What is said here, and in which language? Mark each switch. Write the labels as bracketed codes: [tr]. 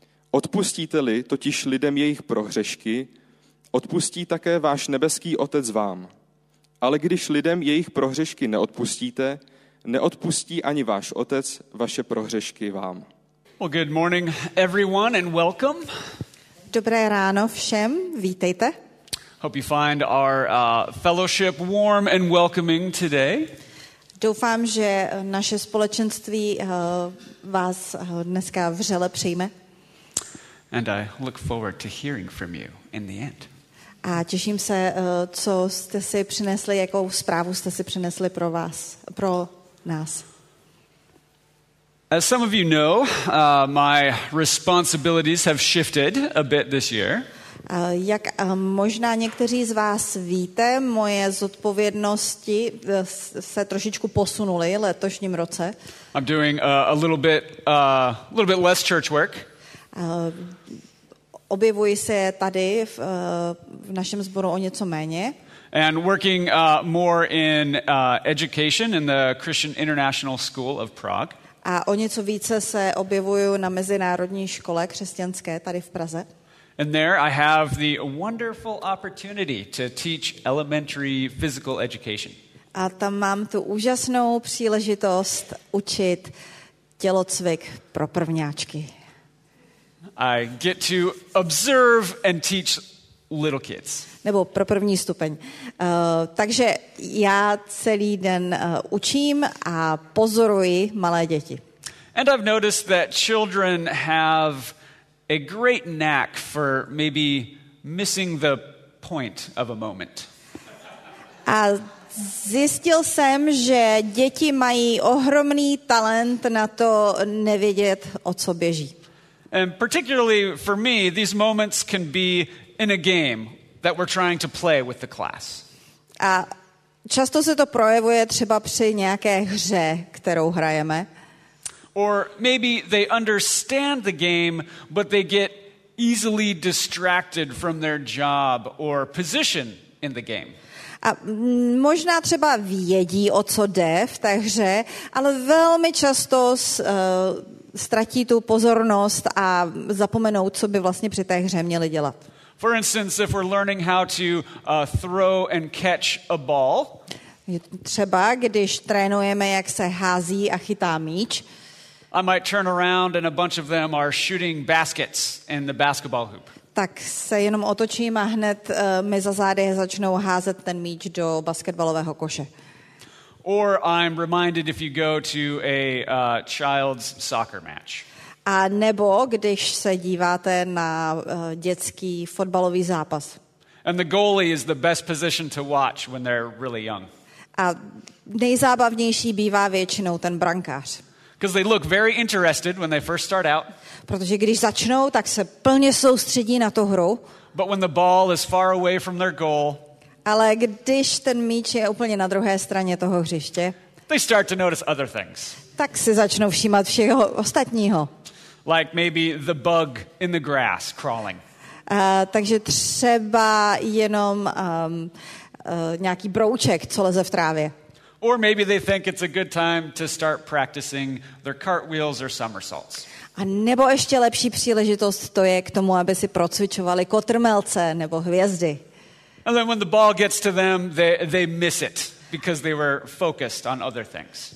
[cs] Odpustíte-li totiž lidem jejich prohřešky, odpustí také váš nebeský Otec vám. Ale když lidem jejich prohřešky neodpustíte, neodpustí ani váš Otec vaše prohřešky vám. [en] Well, good morning, everyone, and welcome. [cs] Dobré ráno všem, vítejte. [en] Hope you find our fellowship warm and welcoming today. [cs] Doufám, že naše společenství vás dneska vřele přijme. [en] And I look forward to hearing from you in the end. [cs] A těším se, co jste si přinesli, jakou zprávu jste si přinesli pro vás, pro nás. [en] As some of you know, my responsibilities have shifted a bit this year. [cs] Jak možná někteří z vás víte, moje zodpovědnosti se trošičku posunuly letošním roce. [en] I'm doing a little bit less church work. [cs] Objevuji se tady v našem sboru o něco méně. [en] And working more in education in the Christian International School of Prague. [cs] A o něco více se objevuju na mezinárodní škole křesťanské tady v Praze. [en] And there I have the wonderful opportunity to teach elementary physical education. [cs] A tam mám tu úžasnou příležitost učit tělocvik pro prvňáčky. [en] I get to observe and teach little kids. [cs] Nebo pro první stupeň. Takže já celý den učím a pozoruji malé děti. [en] And I've noticed that children have a great knack for maybe missing the point of a moment. [cs] A zjistil jsem, že děti mají ohromný talent na to nevědět, o co běží. [en] And particularly for me, these moments can be in a game that we're trying to play with the class. [cs] A často se to projevuje třeba při nějaké hře, kterou hrajeme. [en] Or maybe they understand the game, but they get easily distracted from their job or position in the game. [cs] A možná třeba vědí, o co jde v té hře, ale velmi často ztratí tu pozornost a zapomenou, co by vlastně při té hře měli dělat. [en] For instance, if we're learning how to throw and catch a ball. [cs] Třeba když trénujeme, jak se hází a chytá míč. [en] I might turn around and a bunch of them are shooting baskets in the basketball hoop. [cs] Tak se jenom otočím a hned mi za zády začnou házet ten míč do basketbalového koše. [en] Or I'm reminded if you go to a child's soccer match. [cs] A nebo když se díváte na dětský fotbalový zápas. [en] And the goalie is the best position to watch when they're really young. [cs] A nejzábavnější bývá většinou ten brankář. [en] Because they look very interested when they first start out. [cs] Protože když začnou, tak se plně soustředí na tu hru. [en] But when the ball is far away from their goal. [cs] Ale když ten míč je úplně na druhé straně toho hřiště. [en] They start to notice other things. [cs] Tak si začnou všímat všeho ostatního. [en] Like maybe the bug in the grass crawling. [cs] Takže třeba jenom nějaký brouček, co leze v trávě. [en] Or maybe they think it's a good time to start practicing their cartwheels or somersaults. [cs] A nebo ještě lepší příležitost to je k tomu, aby si procvičovali kotrmelce nebo hvězdy. [en] And then when the ball gets to them, they miss it because they were focused on other things.